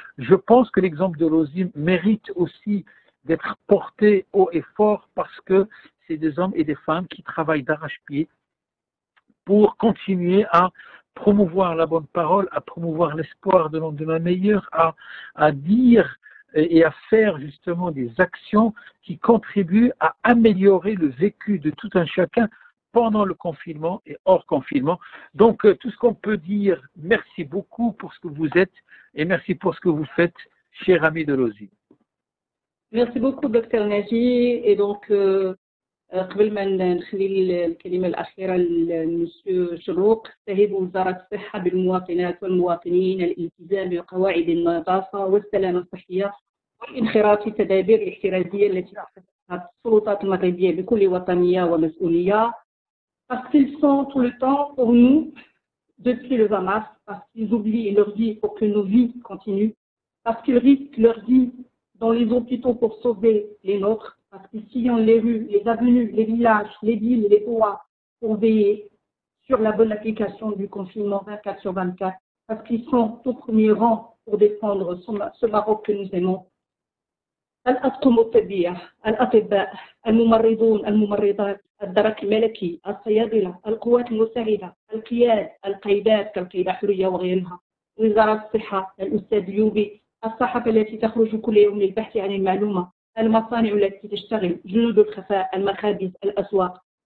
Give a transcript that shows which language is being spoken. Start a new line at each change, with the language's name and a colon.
French: Je pense que l'exemple de l'OSIM mérite aussi d'être porté haut et fort, parce que c'est des hommes et des femmes qui travaillent d'arrache-pied pour continuer à promouvoir la bonne parole, à promouvoir l'espoir de lendemain meilleur, à dire et à faire justement des actions qui contribuent à améliorer le vécu de tout un chacun pendant le confinement et hors confinement. Donc tout ce qu'on peut dire, merci beaucoup pour ce que vous êtes et merci pour ce que vous faites, cher ami de l'OSIM. Merci beaucoup, Dr. Najee. Et donc,
Arabic: قبل ما نخلي الكلمة الأخيرة لمسيو شروق تهيب وزارة الصحة بالمواطنات والمواطنين الالتزام بقواعد النظافة والسلامة الصحية وانخراط التدابير الاحترازية التي اتخذتها السلطات المغربية بكل وطنية ومسؤولية.
French: Parce qu'ils sont tout le temps pour nous depuis le 20 mars, parce qu'ils oublient leur vie pour que nos vies continuent, parce qu'ils risquent leur vie dans les hôpitaux pour sauver les nôtres, parce qu'ils sillonnent les rues, les avenues, les villages, les villes, les bois pour veiller sur la bonne application du confinement 24/24, parce qu'ils sont au premier rang pour défendre ce Maroc que nous aimons.
Arabic: الأطقم الطبية، الأطباء، الممرضون، الممرضات، الدرك الملكي، الصيادلة، القوات المساعدة، القياد، القيادات كالقيادة حرية وغيرها، وزارة الصحة، الأستاذ اليوبي، الصحافة التي تخرج كل يوم للبحث عن المعلومة، المصانع التي تشتغل، جنود الخفاء، المخابز، الأسواق.